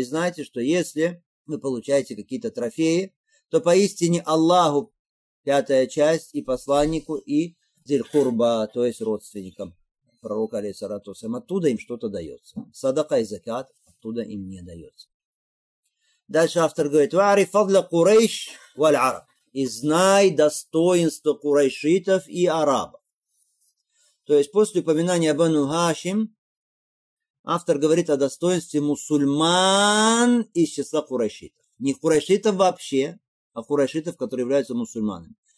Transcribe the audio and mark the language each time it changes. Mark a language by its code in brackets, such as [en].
[ru] И знайте, что если вы получаете какие-то трофеи, то поистине Аллаху пятая часть и посланнику, и зиль-курба, то есть родственникам пророка, алейхиссалату вассалям, оттуда им что-то дается. Садака и закят оттуда им не дается. Дальше автор говорит, [ar] وَعَرِفْ فَضْلَ قُرَيْشْ وَالْعَرَبْ. [ru] И знай достоинство курайшитов и арабов. То есть после упоминания Бану Хашим, автор говорит о достоинстве мусульман из числа курайшитов. Не курайшитов вообще, а курайшитов, которые являются мусульманами.